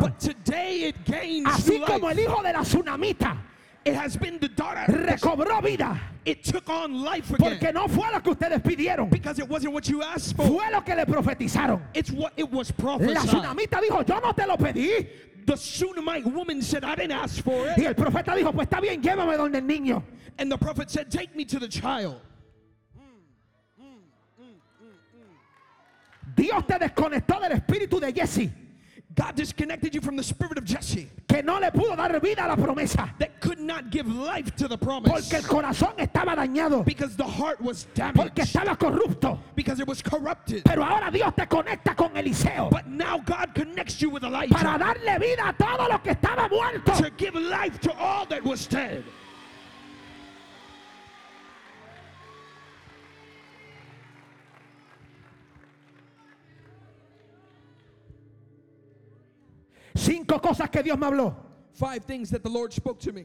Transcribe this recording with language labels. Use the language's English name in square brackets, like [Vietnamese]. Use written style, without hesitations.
[English] But today it gains [Spanish] así [English] life. [Spanish] Como el hijo de la tsunamita. [English] It has been the daughter. [Spanish] Recobró vida. [English] It took on life again. [Spanish] Porque no fue lo que ustedes pidieron. [English] Because it wasn't what you asked for. [Spanish] Fue lo que le profetizaron. [English] It's what it was prophesied. [Spanish] La tsunamita dijo, yo no te lo pedí. [English] The Shunammite woman said, I didn't ask for it. [Spanish] Y el profeta dijo, pues está bien, llévame donde el niño. [English] And the prophet said, take me to the child. [Spanish] Dios te desconectó del espíritu de Jesse. [English] God disconnected you from the spirit of Jesse. [Spanish] Que no le pudo dar vida a la promesa. [English] That could not give life to the promise. [Spanish] Porque el corazón estaba dañado. [English] Because the heart was damaged. [Spanish] Porque estaba corrupto. [English] Because it was corrupted. [Spanish] Pero ahora Dios te conecta con Eliseo. [English] But now God connects you with Elijah. [Spanish] Para darle vida a todo lo que estaba muerto. [English] To give life to all that was dead. [Spanish] Cinco cosas que Dios me habló. [English] Five things that the Lord spoke to me.